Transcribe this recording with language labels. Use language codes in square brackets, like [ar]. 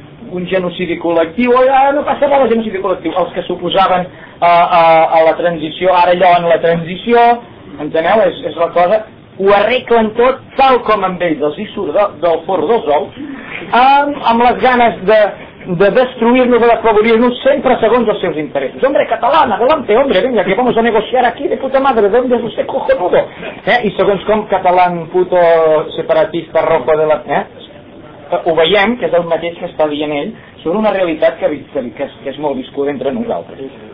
[ca] un genocidi col·lectiu, no passa molt el genocidi col·lectiu, els que s'oposaven a la transició, ara allò en la transició, enteneu, és la cosa, ho arreglen tot tal com amb ells els hi surt del forro dels ous, amb les ganes de destruir-nos o d'afavorir-nos sempre segons els seus interessos. [es] Hombre, catalana, adelante, hombre, venga, que vamos a negociar aquí, de puta madre, ¿de dónde es usted, cojonudo? [ca] I segons com, [es] catalán, puto, separatista, rojo de la... [ca] Ho veiem, que és el mateix que està dient ell, sobre una realitat que és molt viscuda entre nosaltres.